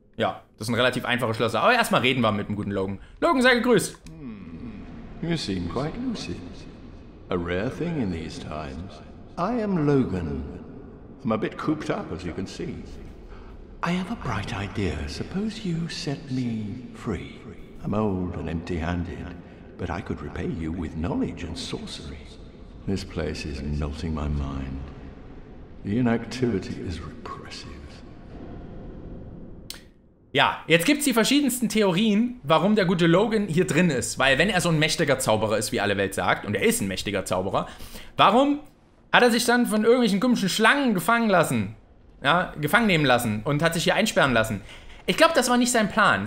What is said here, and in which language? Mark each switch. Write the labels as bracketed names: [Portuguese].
[German] Ja, das sind relativ einfache Schlösser. Aber erstmal reden wir mit dem guten Logan. Logan, sei gegrüßt. [English] You seem quite lucid. A rare thing in these times. I am Logan. I'm a bit cooped up, as you can see. I have a bright idea. Suppose you set me free. I'm old and empty-handed, but I could repay you with knowledge and sorcery. This place is melting my mind. The inactivity is repressive. [German] Ja, jetzt gibt's die verschiedensten Theorien, warum der gute Logan hier drin ist. Weil wenn er so ein mächtiger Zauberer ist, wie alle Welt sagt, und er ist ein mächtiger Zauberer, warum hat er sich dann von irgendwelchen komischen Schlangen gefangen lassen? Ja, gefangen nehmen lassen und hat sich hier einsperren lassen. Ich glaube, das war nicht sein Plan.